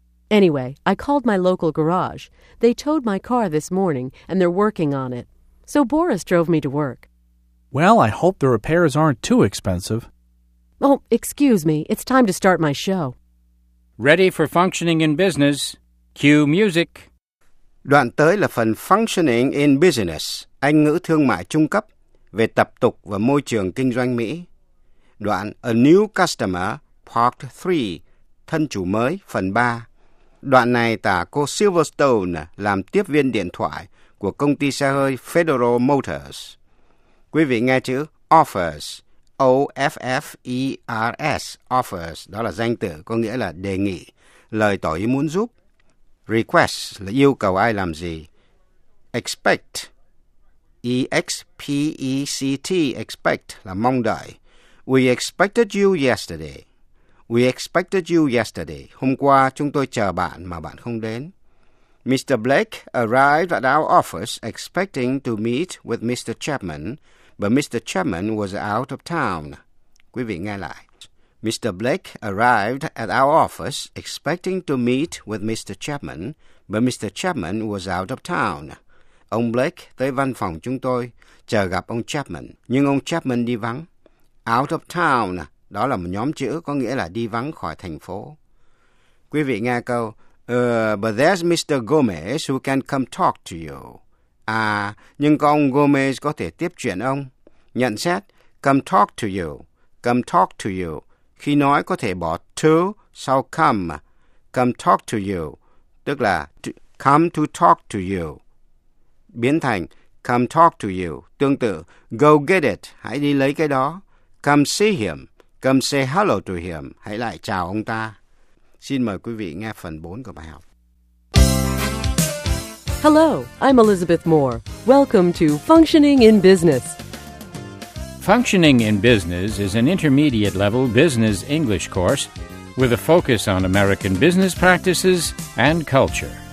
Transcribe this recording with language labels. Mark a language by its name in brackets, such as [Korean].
[English] Anyway, I called my local garage. They towed my car this morning, and they're working on it. So Boris drove me to work. Well, I hope the repairs aren't too expensive. Oh, excuse me. It's time to start my show. Ready for functioning in business. Cue music. [Vietnamese] Đoạn tới là phần functioning in business, Anh ngữ thương mại trung cấp, về tập tục và môi trường kinh doanh Mỹ. Đoạn a new customer, Part 3, thân chủ mới, phần 3. Đoạn này tả cô Silverstone làm tiếp viên điện thoại của công ty xe hơi Federal Motors. Quý vị nghe chữ offers, O-F-F-E-R-S, offers, đó là danh từ, có nghĩa là đề nghị, lời tỏ ý muốn giúp. Request là yêu cầu ai làm gì. Expect, E-X-P-E-C-T, expect là mong đợi. [English] We expected you yesterday. We expected you yesterday. [Vietnamese] Hôm qua chúng tôi chờ bạn mà bạn không đến. [English] Mr. Blake arrived at our office expecting to meet with Mr. Chapman, but Mr. Chapman was out of town. [Vietnamese] Quý vị nghe lại. [English] Mr. Blake arrived at our office expecting to meet with Mr. Chapman, but Mr. Chapman was out of town. [Vietnamese] Ông Blake tới văn phòng chúng tôi chờ gặp ông Chapman, nhưng ông Chapman đi vắng. Out of town, đó là một nhóm chữ có nghĩa là đi vắng khỏi thành phố. Quý vị nghe câu, [English] but there's Mr. Gomez who can come talk to you. [Vietnamese] À, nhưng có ông Gomez có thể tiếp chuyện ông. Nhận xét, [English] come talk to you, come talk to you. [Vietnamese] Khi nói có thể bỏ [English] to sau come, come talk to you, [Vietnamese] tức là [English] come to talk to you. [Vietnamese] Biến thành [English] come talk to you, [Vietnamese] tương tự [English] go get it, [Vietnamese] hãy đi lấy cái đó. [English] Come see him, come say hello to him, [Vietnamese] hãy lại chào ông ta. Xin mời quý vị nghe phần 4 của bài học. [English] Hello, I'm Elizabeth Moore. Welcome to Functioning in Business. Functioning in Business is an intermediate level business English course with a focus on American business practices and culture.